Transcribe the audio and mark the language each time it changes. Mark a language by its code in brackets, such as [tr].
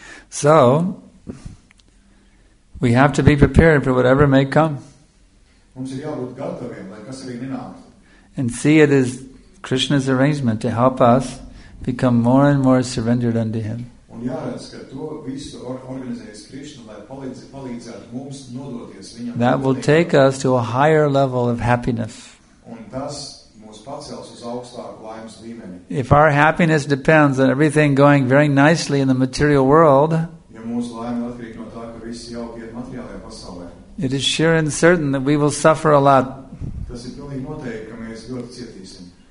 [en] So, we have to be prepared for whatever may come. [lv] Mums ir jābūt gataviem, lai kas arī nenāk. [en] And see it as Krishna's arrangement to help us become more and more surrendered unto him. [lv] Un jāredz, ka to visu organizējas Krišna, lai palīdzētu mums nodoties viņam. [en] That will take us to a higher level of happiness. [lv] Un tas mūs pacels uz augstāku laimes līmeni. [en] If our happiness depends on everything going very nicely in the material world, [lv] ja mūsu laime atkarīgs no tā, ka viss jauki iet materiālajā pasaulē, [en] it is sure and certain that we will suffer a lot. [lv] Tas ir pilnīgi noteikti, ka mēs ļoti cietīsim.